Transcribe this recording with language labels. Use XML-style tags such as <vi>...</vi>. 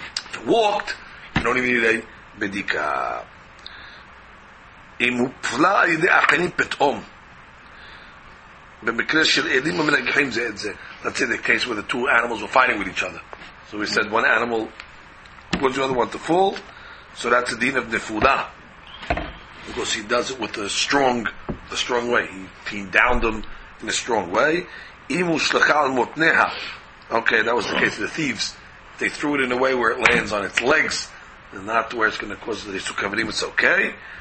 <en>If it walked, you don't even need a bidika.</en> <he>אם הוא פולא על ידי אחרים פתאום במקרה של אלים המנגחים זה את זה.</he> <en>Let's say the case where the two animals were fighting with each other, so we said one animal caused the other one to fall, so that's the din of nefula, because he does it with a strong way, he downed them in a strong way. אם הוא שלחה על מותניה, okay, that was the case of the thieves, they threw it in a way where it lands on its legs and not where it's going to cause the issue covering, it's okay.</en>